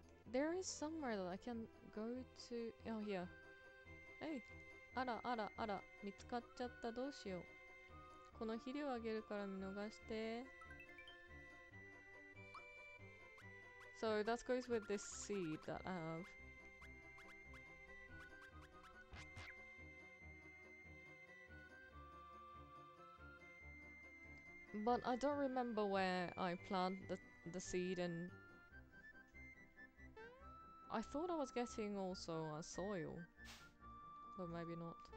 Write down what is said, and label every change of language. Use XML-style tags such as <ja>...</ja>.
<en>There is somewhere that I can go to. Oh, here. Hey.</en> <ja>あら、見つかっちゃった。どうしよう。この肥料あげるから見逃して。</ja> <en>So that goes with this seed that I have. But I don't remember where I planted the seed, and I thought I was getting also a soil, but maybe not.</en>